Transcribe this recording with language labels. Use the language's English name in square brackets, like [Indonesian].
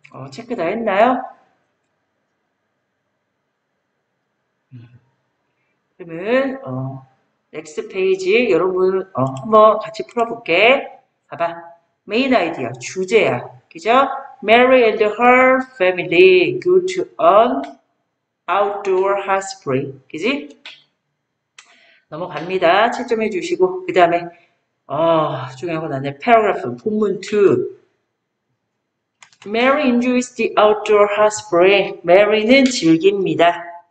[Korean] 체크 다 했나요? 그러면 넥스트 페이지 여러분 한번 같이 풀어볼게. 봐봐. 메인 아이디어 주제야. 그죠? [English] Mary and her family go to an outdoor hot spring. [Korean] 그지? 넘어갑니다. 채점해 주시고 그다음에 중요하고 나네. 패러그래프 본문 2. [English] Mary enjoys the outdoor hot spring. [Korean] Mary는 즐깁니다.